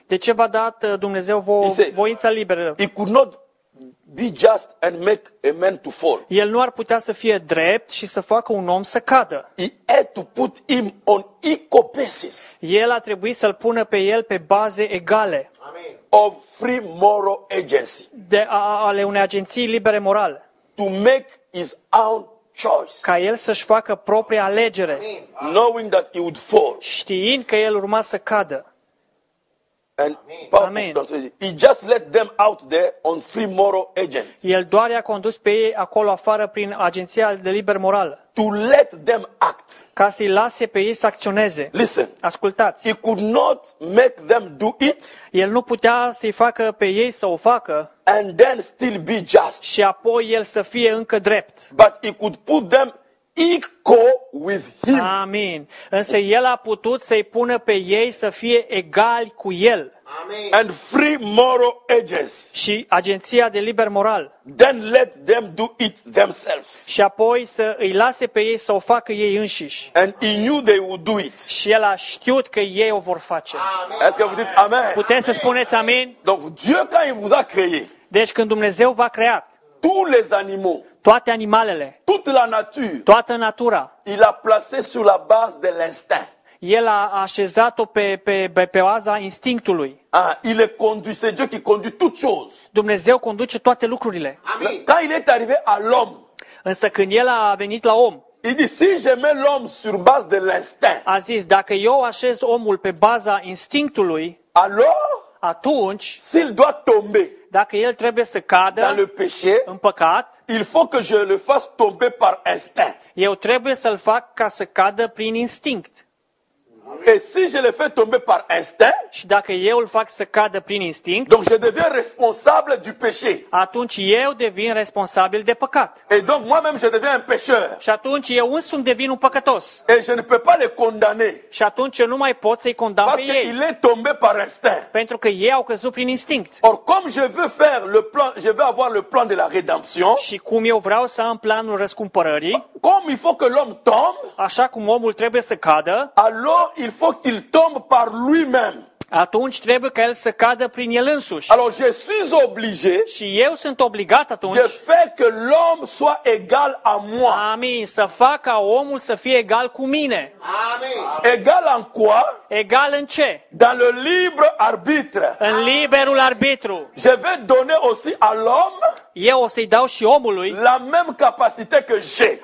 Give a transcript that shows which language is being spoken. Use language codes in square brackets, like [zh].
[ro] De ce v-a dat Dumnezeu voința liberă? [en] It could not be just and make a man to fall. [ro] El nu ar putea să fie drept și să facă un om să cadă. [en] He had to put him on equal basis. [ro] El a trebuit să-l pună pe el pe baze egale. [en] Amen. Of free moral agency. [ro] De ale unei agenții libere morale. [en] To make his own choice. [ro] Ca el să-și facă propria alegere. [en] Amen. Knowing that he would fall. [ro] Știind că el urma să cadă. [en] And Amen. He just let them out there on free moral agents. [ro] El doar i-a condus pe ei acolo afară prin agenția de liber moral. [en] To let them act. [ro] Ca să-i lase pe ei să acționeze. [en] Listen. [ro] Ascultați. [en] He could not make them do it. [ro] El nu putea să-i facă pe ei să o facă. [en] And then still be just. [ro] Și apoi el să fie încă drept. [en] But he could put them equal with him. [ro] Amin. Însă el a putut să-i pună pe ei să fie egali cu el. [en] Amin. And free moral agents. [ro] Și agenția de liber moral. [en] Then let them do it themselves. [ro] Și apoi să îi lase pe ei să o facă ei înșiși. [en] And he knew they would do it. [ro] Și el a știut că ei o vor face. Amin. Puteți să spuneți amin? [fr] Dieu quand il vous a créé. [ro] Deci când Dumnezeu v-a creat. [fr] Tous les animaux. [ro] Toate animalele. [fr] Toute la nature. [ro] Toată natura. [fr] Il a placé sur la base de l'instinct. [ro] El a așezat-o pe baza instinctului. [fr] Ah, il est conduit, c'est Dieu qui conduit toutes choses. [ro] Dumnezeu conduce toate lucrurile. [fr] Amin. Quand il est arrivé à l'homme. [ro] Însă când el a venit la om. [fr] Il dit, si je mets l'homme sur base de l'instinct. [ro] A zis, dacă eu așez omul pe baza instinctului. [fr] Alors? [ro] Atunci. [fr] S'il doit tomber. [ro] Dacă el trebuie să cadă [fr] dans le péché, [ro] în păcat, [fr] il faut que je le fasse tomber par instinct. [ro] Eu trebuie să-l fac ca să cadă prin instinct. [fr] Et si je le fais tomber par instinct, [ro] și dacă eu îl fac să cadă prin instinct, [fr] donc je deviens responsable du péché. [ro] Atunci eu devin responsabil de păcat. [fr] Et donc moi-même je deviens un pécheur. [ro] Și atunci eu însumi devin un păcătos. [fr] Et je ne peux pas le condamner. [ro] Și atunci eu nu mai pot să-i condamn pe ei. [fr] Il est tombé par instinct. [ro] Pentru că ei au căzut prin instinct. [fr] Or comme je veux faire le plan, je veux avoir le plan de la rédemption. [ro] Și cum eu vreau să am planul răscumpărării. [fr] Comme il faut que l'homme tombe. [ro] Așa cum omul trebuie să cadă. [fr] Alors il faut qu'il tombe par lui-même. [ro] Atunci trebuie ca el să cadă prin el însuși. [fr] Alors je suis obligé. [ro] Și eu sunt obligat atunci. [fr] De fait que l'homme soit égal à moi. [ro] Amin, să fac ca omul să fie egal cu mine. Amin. [fr] Egal în quoi? [ro] Egal în ce? [fr] Dans le libre arbitre. [ro] În liberul arbitru. [fr] Je vais donner aussi à l'homme. [ro] Eu o să-i dau și omului. [fr] La même capacité que j'ai.